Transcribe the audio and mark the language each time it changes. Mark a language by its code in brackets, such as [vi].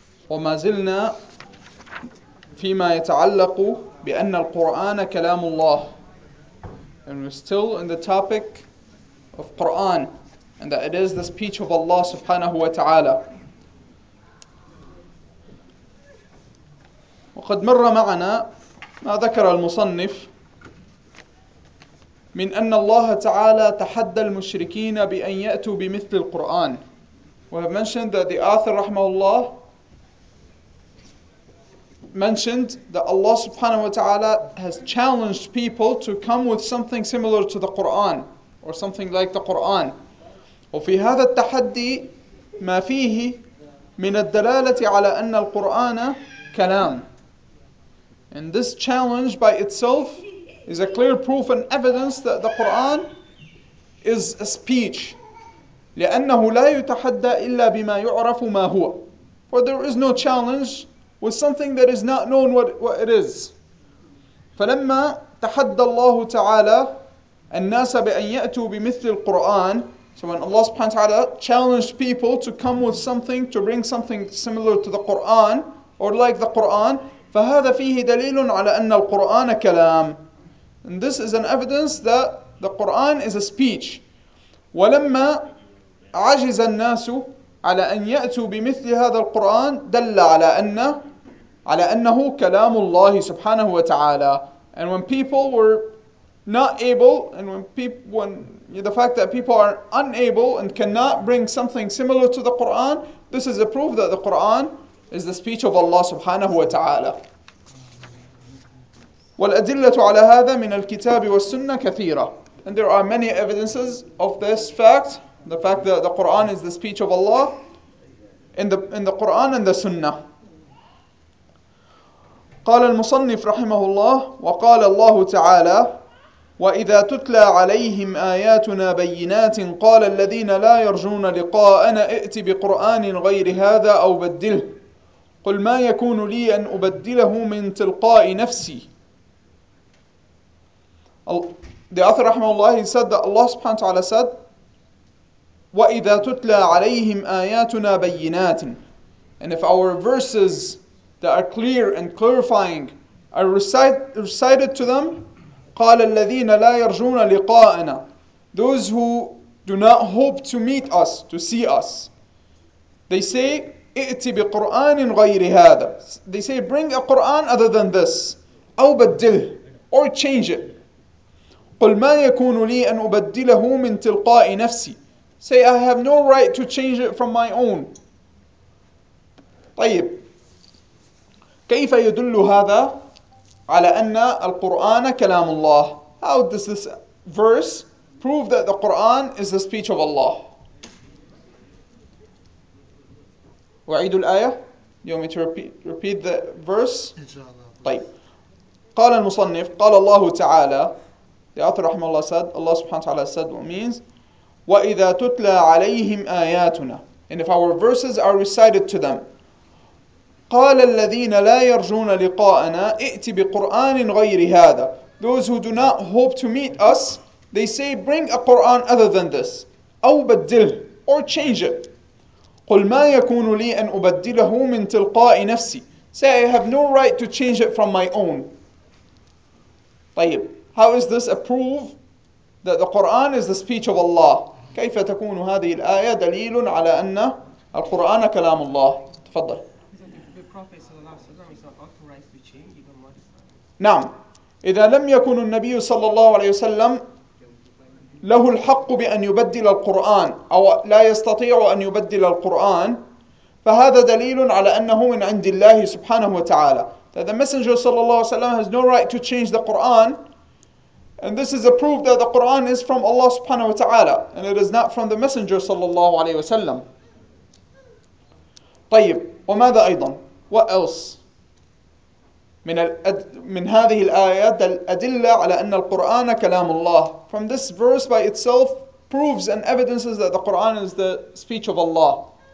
[ar] وما زلنا فيما يتعلق بأن القرآن كلام الله. [en] And we're still in the topic of Quran, and that it is the speech of Allah سبحانه وتعالى. [ar] وقد مر معنا ما ذكر المصنف من أن الله تعالى تحدى المشركين بأن يأتوا بمثل القرآن. [en] We have mentioned that the author رحمه الله mentioned that Allah subhanahu wa ta'ala has challenged people to come with something similar to the Quran or something like the Quran. [ar] وفي هذا التحدي ما فيه من الدلالة على أن القرآن كلام. [en] And this challenge by itself is a clear proof and evidence that the Quran is a speech. [ar] لأنه لا يتحدى إلا بما يعرف ما هو. [en] For there is no challenge with something that is not known what it is. [ar] فلما تحدى الله تعالى الناس بأن يأتوا بمثل القرآن. [en] So when Allah subhanahu wa ta'ala challenged people to come with something, to bring something similar to the Quran or like the Quran, [ar] فهذا فيه دليل على أن القرآن كلام. [en] And this is an evidence that the Quran is a speech. [ar] ولما عجز الناس على أن يأتوا بمثل هذا القرآن دل على أنه كلام الله سبحانه وتعالى. [en] And when people were not able, and the fact that people are unable and cannot bring something similar to the Quran, this is a proof that the Quran is the speech of Allah سبحانه وتعالى. [ar] والأدلة على هذا من الكتاب والسنة كثيرة. [en] And there are many evidences of this fact, the fact that the Quran is the speech of Allah, in the Quran and the Sunnah. [ar] قال المصنف رحمه الله وقال الله تعالى وإذا تتلى عليهم آياتنا بينات قال الذين لا يرجون لقاءنا ائت بقرآن غير هذا أو بدله قل ما يكون لي أن أبدله من تلقاء نفسي. [en] The author رحمه الله, he said that Allah subhanahu wa ta'ala said [ar] وَإِذَا تُتْلَى عَلَيْهِمْ آيَاتُنَا بَيِّنَاتٍ. [en] And if our verses that are clear and clarifying are recited to them, [ar] قَالَ الَّذِينَ لَا يَرْجُونَ لِقَاءَنَا, [en] those who do not hope to meet us, to see us, they say [ar] ائْتِ بِقُرْآنٍ غَيْرِ هَذَا, [en] they say bring a Quran other than this, [ar] أَوْ بَدِّلْهِ, [en] or change it. [ar] قُلْ مَا يَكُونُ لِي أَنْ أُبَدِّلَهُ مِنْ تِلْقَاءِ نَفْسِي, [en] say I have no right to change it from my own. [ar] طيب, كيف يدل هذا على أن القرآن كلام الله. [en] How does this verse prove that the Quran is the speech of Allah? [ar] وعيد الآية. [en] You want me to repeat the verse? [ar] طيب, قال المصنف قال الله تعالى, [en] the author رحمه الله said, Allah subhanahu wa ta'ala said what means, [ar] وَإِذَا تُتْلَى عَلَيْهِمْ آيَاتُنَا, [en] and if our verses are recited to them, [ar] قَالَ الَّذِينَ لَا يَرْجُونَ لِقَاءَنَا ائْتِ بِقُرْآنٍ غَيْرِ هَذَا, [en] those who do not hope to meet us, they say bring a Quran other than this, [ar] أَوْ بَدِّلْهِ, [en] or change it. [ar] قُلْ مَا يَكُونُ لِي أَنْ أُبَدِّلَهُ مِنْ تِلْقَاءِ نَفْسِي, [en] say I have no right to change it from my own. طيب, how is this a proof that the Quran is the speech of Allah? [ar] كيف تكون هذه الآية دليل على أن القرآن كلام الله؟ تفضل. [en] The Prophet صلى الله عليه وسلم is authorized to change even modified. [ar] نعم. إذا لم يكن النبي صلى الله عليه وسلم له الحق بأن يبدل القرآن أو لا يستطيع أن يبدل القرآن, فهذا دليل على أنه من عند الله سبحانه وتعالى. [en] That the Messenger صلى الله عليه وسلم has no right to change the Quran, And this is a proof that the Quran is from Allah subhanahu wa ta'ala, and it is not from the Messenger sallallahu alayhi wa sallam. [ar] طيب وماذا أيضا؟ [en] What else? [ar] من هذه الآيات الأدلة على أن القرآن كلام الله. [en] From this verse by itself proves and evidences that the Quran is the speech of Allah.